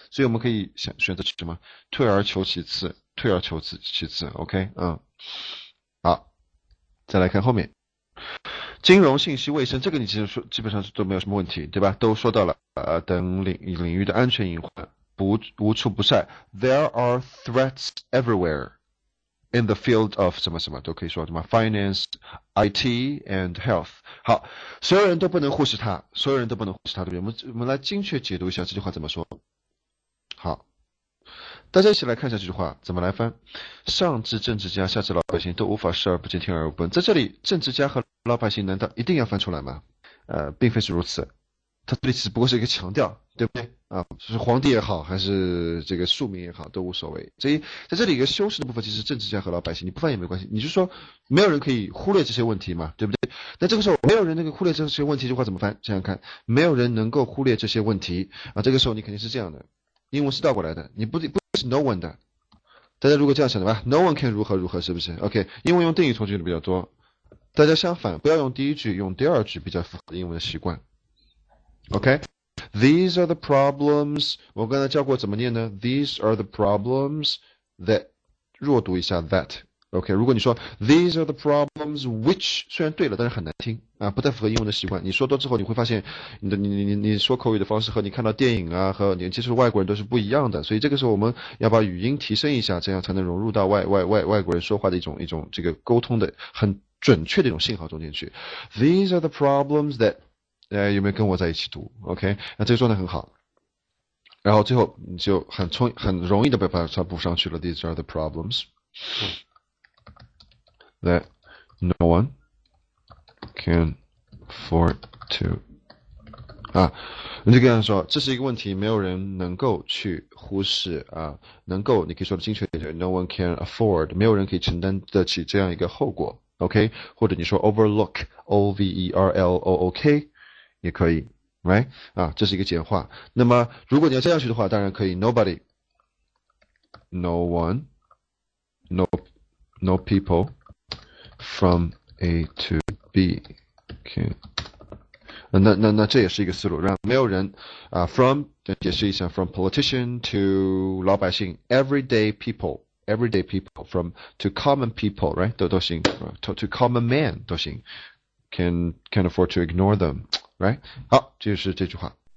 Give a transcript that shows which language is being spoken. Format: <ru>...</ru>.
<zh>所以我们可以选择什么？退而求其次，退而求其次 ，OK， 好，再来看后面，金融、信息、卫生，这个你其实说基本上都没有什么问题，对吧？都说到了等领域的安全隐患。无处不在</zh> <en>There are threats everywhere in the field of</en> <zh>什么什么都可以说什么</zh> <en>finance, IT and health.</en> <zh>好，所有人都不能忽视它，所有人都不能忽视它，对不对？我们来精确解读一下这句话怎么说。好，大家一起来看一下这句话怎么来翻。上至政治家，下至老百姓，都无法视而不见，听而不闻。在这里，政治家和老百姓难道一定要翻出来吗？并非是如此。他这里只不过是一个强调，对不对啊？就是皇帝也好，还是这个庶民也好，都无所谓。所以在这里一个修饰的部分，其实政治家和老百姓，你不翻也没关系。你就说没有人可以忽略这些问题嘛，对不对？那这个时候没有人能够忽略这些问题，这句话怎么翻？想想看，没有人能够忽略这些问题啊。这个时候你肯定是这样的，英文是倒过来的，你不是 no one 的。大家如果这样想的话 ，</zh> <en>no one can</en> <zh>如何如何，是不是 ？OK， 因为用定语从句的比较多。大家相反，不要用第一句，用第二句比较符合英文的习惯。</zh> <en>Okay, these are the problems.</en> <zh>我刚才教过怎么念呢 ？</zh> <en>These are the problems that</en> <zh>弱读一下 that. Okay, 如果你说</zh> <en>these are the problems which</en> <zh>虽然对了，但是很难听啊，不太符合英文的习惯。你说多之后，你会发现你说口语的方式和你看到电影啊和你接触外国人都是不一样的。所以这个时候我们要把语音提升一下，这样才能融入到外国人说话的一种这个沟通的很准确的一种信号中间去。</zh> <en>These are the problems that.</en> <zh>有没有跟我在一起读 ？OK， 那这个状态很好。然后最后你就很容易的把它补上去了。</zh> <en>These are the problems that no one can afford to</en> <zh>啊，你就跟他说这是一个问题，没有人能够去忽视啊，能够你可以说的精确一点 ，</zh> <en>No one can afford，</en> <zh>没有人可以承担得起这样一个后果。 OK， 或者你说 overlook，OVERLOOK。也可以 ，right 啊，这是一个简化。那么，如果你要接下去的话，当然可以</zh> <en>，nobody， no one， no， no people from A to B can、okay.</en> <zh>那这也是一个思路，让没有人啊 ，from 解释一下 ，</zh> <en>from politician to</en> <zh>老百姓 ，</zh> <en>everyday people。 everyday people from to common people， right 都行 ，to common man 都行 ，can afford to ignore them。Right?</en> <zh>好，这就是这句话。</zh>